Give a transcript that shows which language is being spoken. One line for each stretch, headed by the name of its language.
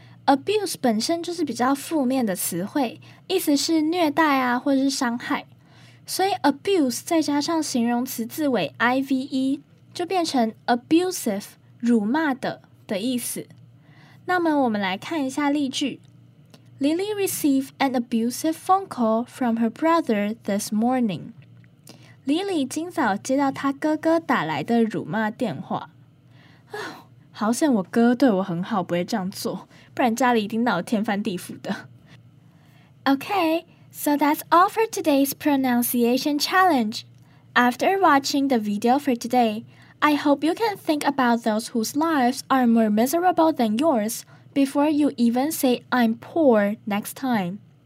Chinese: abuse 本身就是比较负面的词汇，意思是虐待啊，或者是伤害。所以 abuse 再加上形容词字尾 ive 就变成 abusive 辱骂的意思。那么我们来看一下例句。
English: Lily received an abusive phone call from her brother this morning.
Chinese: Lily 今早接到她哥哥打来的辱骂电话。好险我哥对我很好，不会这样做，不然家里一定闹得天翻地覆的。
English: Okay, so that's all for today's pronunciation challenge. After watching the video for today, I hope you can think about those whose lives are more miserable than yours before you even say I'm poor next time.